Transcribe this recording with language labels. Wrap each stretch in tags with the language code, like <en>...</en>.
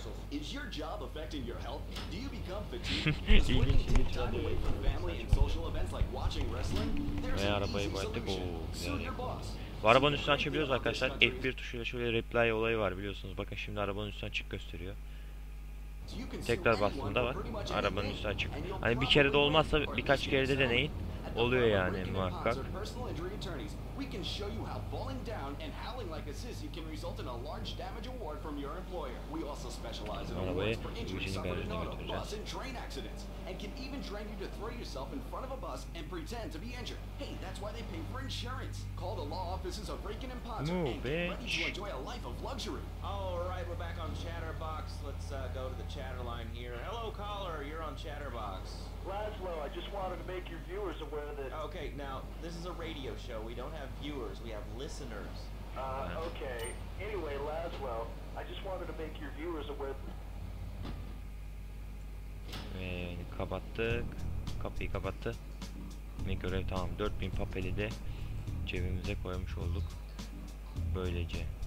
<en>Is your job affecting your health? Do you become fatigued? Is working too much away from family and social events like watching wrestling? There's an easy solution.</en> <tr>Arabanın üstünden açabiliyoruz arkadaşlar. F1 tuşuyla şöyle reply olayı var biliyorsunuz. Bakın şimdi arabanın üstünden çık gösteriyor. Tekrar bastığımda var. Arabanın üstünden çık. Hani bir kere de olmazsa birkaç kere de deneyin. Oluyor yani muhakkak.</tr> <en>We can show you how falling down and howling like a sissy can result in a large damage award from your employer. We also specialize in awards for injuries suffered on a bus and train accidents, and can even train you to throw yourself in front of a bus and pretend to be injured. Hey, that's why they pay for insurance. Call the law offices of Rakin and Potter and get ready to enjoy a life of luxury. All right, we're back on Chatterbox. Let's go to the chatter line here. Hello, caller. You're on Chatterbox. Laszlo, I just wanted to make your viewers aware that... Okay, now, this is a radio show. We don't have viewers. We have listeners. Okay. Anyway, Laszlo, I just wanted to make your viewers aware...</en> <tr>Kapattık. Kapıyı kapattı. etme görev tamam. 4000 papeli de cebimize koymuş olduk. Böylece.</tr>